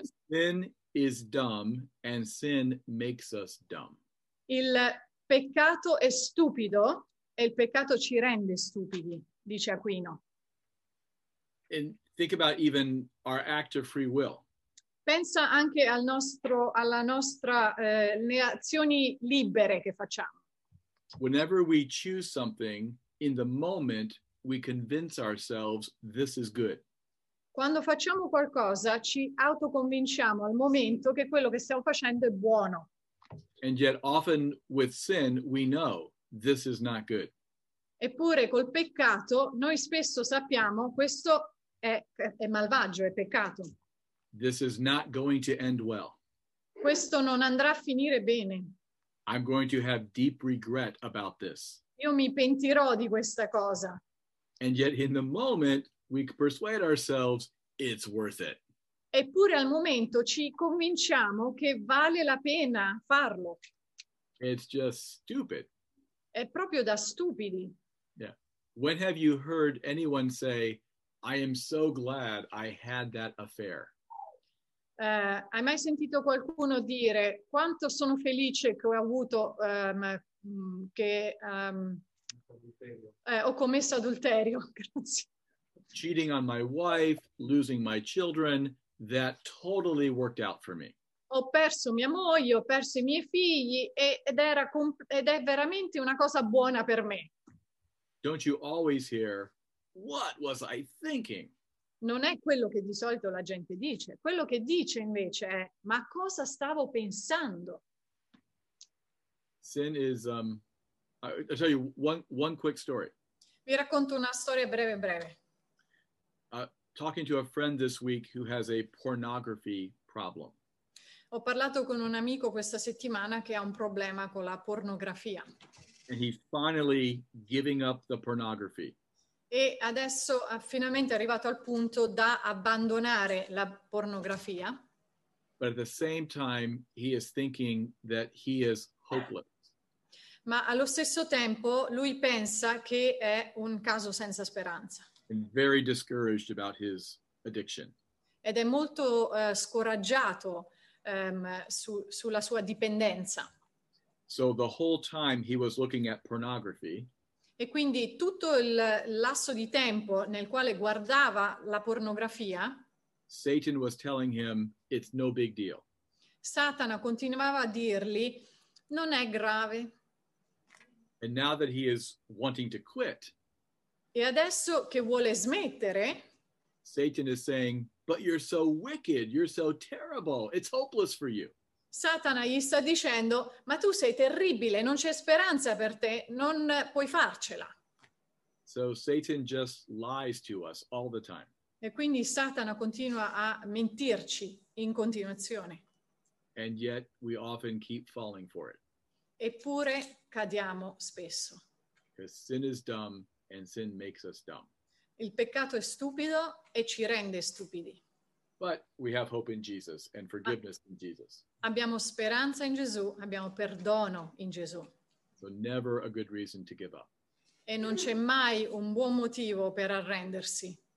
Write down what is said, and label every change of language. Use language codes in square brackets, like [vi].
[en] Sin is dumb and sin makes us dumb. [it] Il peccato è stupido e il peccato ci rende stupidi, dice Aquino. [en] And think about even our act of free will. [it] Pensa anche alle azioni libere che facciamo. [en] Whenever we choose something, in the moment we convince ourselves this is good. [it] Quando facciamo qualcosa, ci autoconvinciamo al momento che quello che stiamo facendo è buono. [en] And yet often with sin we know this is not good. [it] Eppure col peccato noi spesso sappiamo questo è malvagio, è peccato. [en] This is not going to end well. [it] Questo non andrà a finire bene. [en] I'm going to have deep regret about this. [it] Io mi pentirò di questa cosa. [en] And yet in the moment we persuade ourselves it's worth it. [it] Eppure al momento ci convinciamo che vale la pena farlo. [en] It's just stupid. [it] È proprio da stupidi. [en] Yeah. When have you heard anyone say, I am so glad I had that affair? [it] Hai mai sentito qualcuno dire quanto sono felice che ho avuto ho commesso adulterio? [en] Cheating on my wife, losing my children, that totally worked out for me. [it] Ho perso mia moglie, ho perso i miei figli ed è veramente una cosa buona per me. [en] Don't you always hear, what was I thinking? [it] Non è quello che di solito la gente dice. Quello che dice invece è, ma cosa stavo pensando? [en] Sin is, I'll tell you one quick story. [it] Vi racconto una storia breve. [en] Talking to a friend this week who has a pornography problem. [it] Ho parlato con un amico questa settimana che ha un problema con la pornografia. [en] And he's finally giving up the pornography. [it] E adesso ha finalmente arrivato al punto da abbandonare la pornografia. [en] But at the same time he is thinking that he is hopeless. [it] Ma allo stesso tempo lui pensa che è un caso senza speranza. [en] And very discouraged about his addiction. [it] Ed è molto scoraggiato sulla sua dipendenza. [en] So the whole time he was looking at pornography. [it] E quindi tutto il lasso di tempo nel quale guardava la pornografia, [en] Satan was telling him, it's no big deal. [it] Satana continuava a dirgli, non è grave. [en] And now that he is wanting to quit, [it] e adesso che vuole smettere, [en] Satan is saying, but you're so wicked, you're so terrible, it's hopeless for you. [it] Satana gli sta dicendo, ma tu sei terribile, non c'è speranza per te, non puoi farcela. [en] So Satan just lies to us all the time. [it] E quindi Satana continua a mentirci in continuazione. [en] And yet we often keep falling for it. [it] Eppure cadiamo spesso. [en] Because sin is dumb and sin makes us dumb. [it] Il peccato è stupido e ci rende stupidi. [en] But we have hope in Jesus and forgiveness in Jesus. [it] Abbiamo speranza in Gesù, abbiamo perdono in Gesù. [en] So never a good reason to give up. [it] E non c'è mai un buon motivo per arrendersi.